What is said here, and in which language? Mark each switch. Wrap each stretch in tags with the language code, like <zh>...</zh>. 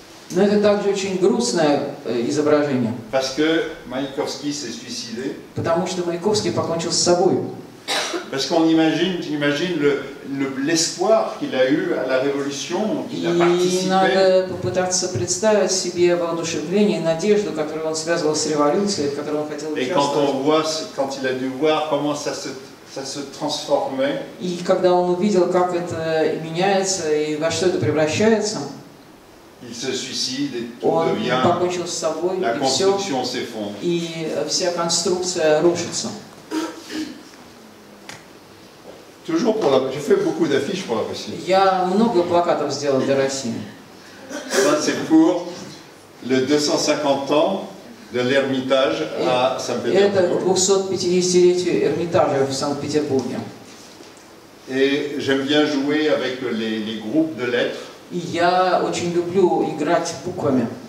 <ru>Но это также очень грустное изображение.</ru> <fr>Parce que Маяковский s'est suicidé.</fr> <ru>Потому что Маяковский покончил с собой.</ru> <fr>Parce qu'on imagine, j'imagine l'espoir qu'il a eu à la révolution, qu'il a participé.</fr> <ru>И надо попытаться представить себе воодушевление, надежду, которую он связывал с революцией, в которой он хотел участвовать.</ru> <fr>Et quand on voit, quand il a dû voir comment ça se transformait.</fr> <ru>И когда он увидел, как это меняется и во что это превращается.</ru> <fr>Il se suicide et tout devient.</fr> <ru>Он покончил с собой.</ru> <fr>La construction s'effondre.</fr> <ru>И вся конструкция рушится.</ru> <fr>Toujours pour la. J'ai fait beaucoup d'affiches pour la Russie.</fr> <ru>Я много плакатов сделал для России.</ru> <fr>Ça c'est pour le 250 ans de l'Ermitage à Saint-Pétersbourg.</fr> <ru>Это 250-летие Эрмитажа в Санкт-Петербурге.</ru> <fr>Et j'aime bien jouer avec les groupes de lettres.</fr> <ru>Я очень люблю играть буквами.</ru>